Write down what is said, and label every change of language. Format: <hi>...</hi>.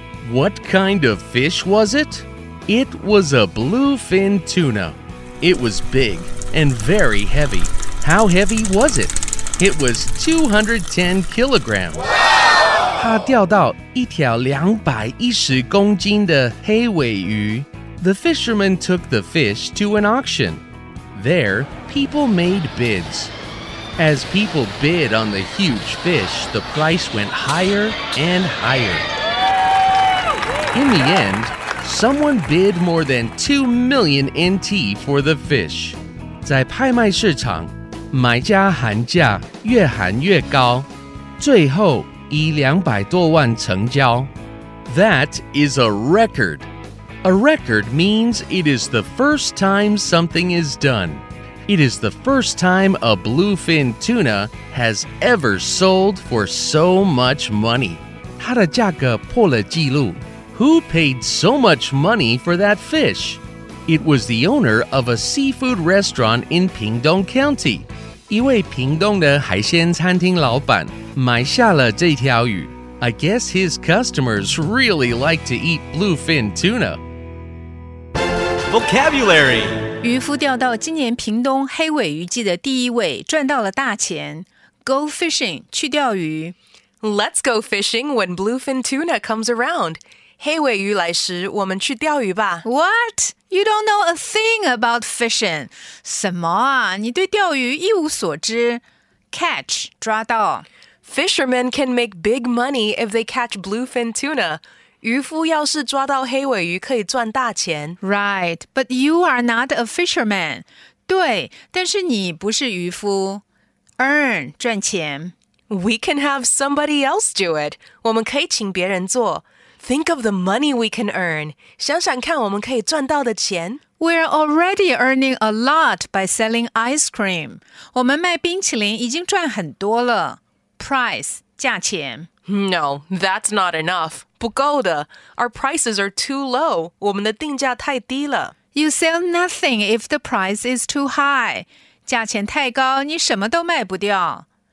<en>What kind of fish was it? It was a bluefin tuna. It was big and very heavy. How heavy was it? It was 210 kilograms. Wow!</en> <zh>他钓到一条210公斤的黑尾鱼。</zh> <en>The fisherman took the fish to an auction. There, people made bids. As people bid on the huge fish, the price went higher and higher. In the end, someone bid more than 2 million NT for the fish.</en> <zh>在拍卖市场，买家喊价越喊越高，最后以200多万成交。</zh> <en>That is a record. A record means it is the first time something is done. It is the first time a bluefin tuna has ever sold for so much money.</en> <zh>它的价格破了记录。</zh> <en>Who paid so much money for that fish? It was the owner of a seafood restaurant in Pingdong County.</en> <zh>一位屏东的海鲜餐厅老板买下了这条鱼。</zh> <en>I guess his customers really like to eat bluefin tuna. Vocabulary.</en> <zh>渔夫钓到今年屏东黑尾鱼季的第一尾，赚到了大钱。</zh> <en>Go fishing,</en> <zh>去钓鱼。</zh> <en>Let's go fishing when bluefin tuna comes around.</en> <zh>黑尾鱼来时，我们去钓鱼吧。</zh> <en>What? You don't know a thing about fishing.</en> <zh>什么啊？你对钓鱼一无所知。Catch, 抓到。</zh> <en>Fishermen can make big money if they catch bluefin tuna.</en> <zh>渔夫要是抓到黑尾鱼可以赚大钱。</zh> <en>Right, but you are not a fisherman.</en> <zh>对，但是你不是渔夫。</zh> <en>Earn,</en> <zh>赚钱。</zh> <en>We can have somebody else do it.</en> <zh>我们可以请别人做。</zh> <en>Think of the money we can earn.</en> <zh>想想看我们可以赚到的钱。</zh> <en>We're already earning a lot by selling ice cream.</en> <zh>我们卖冰淇淋已经赚很多了。</zh> <en>Price,</en> <zh>价钱。</zh> <en>No, that's not enough.</en> <zh>不够的。</zh> <en>Our prices are too low.</en> <zh>我们的定价太低了。</zh> <en>You sell nothing if the price is too high.</en> <zh>价钱太高，你什么都卖不掉。</zh>